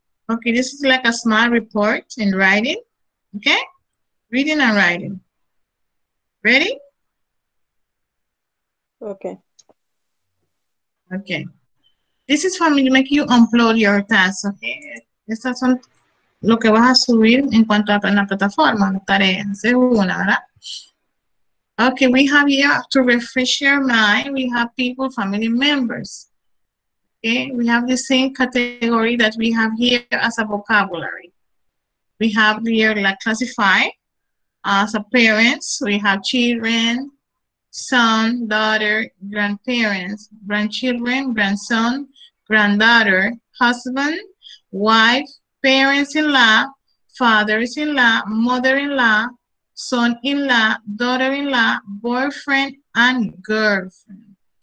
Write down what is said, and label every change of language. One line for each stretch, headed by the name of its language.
English: Okay, this is like a small report in writing, okay? Reading and writing. Ready? Okay. Okay. This is for me to make you upload your tasks, okay?
Spanish: Estas son lo que vas a subir en cuanto a la plataforma, la tarea, segunda, ¿verdad?
English: Okay, we have here to refresh your mind, we have people, family members. Okay, we have the same category that we have here as a vocabulary. We have here like classified. As a parents, we have children, son, daughter, grandparents, grandchildren, grandson, granddaughter, husband, wife, parents-in-law, fathers-in-law, mother-in-law, son-in-law, daughter-in-law, boyfriend, and girlfriend.